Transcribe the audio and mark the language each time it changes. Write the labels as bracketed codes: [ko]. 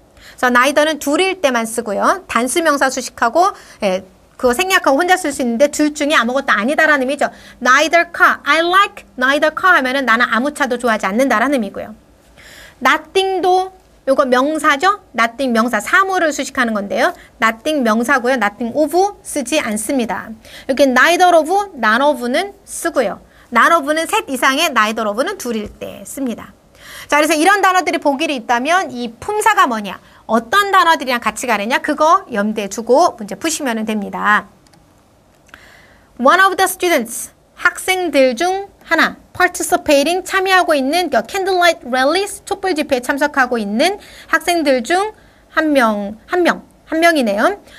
[ko] 그래서 neither는 둘일 때만 쓰고요. 단수 명사 수식하고 그거 생략하고 혼자 쓸 수 있는데 둘 중에 아무것도 아니다라는 의미죠. [en] neither car. I like neither car [ko] 하면은 나는 아무 차도 좋아하지 않는다라는 의미고요. nothing도 이거 명사죠. nothing 명사 사물을 수식하는 건데요. nothing 명사고요. nothing of 쓰지 않습니다. 이렇게 neither of, none of는 쓰고요. none of는 셋 이상의 neither of는 둘일 때 씁니다. 자, 그래서 이런 단어들이 보기에 있다면 이 품사가 뭐냐, 어떤 단어들이랑 같이 가느냐, 그거 염두에 두고 문제 푸시면 됩니다. [en] one of the students, [ko] 학생들 중 하나, participating, 참여하고 있는 그 [en] candlelight rallies, [ko] 촛불 집회에 참석하고 있는 학생들 중 한 명이네요.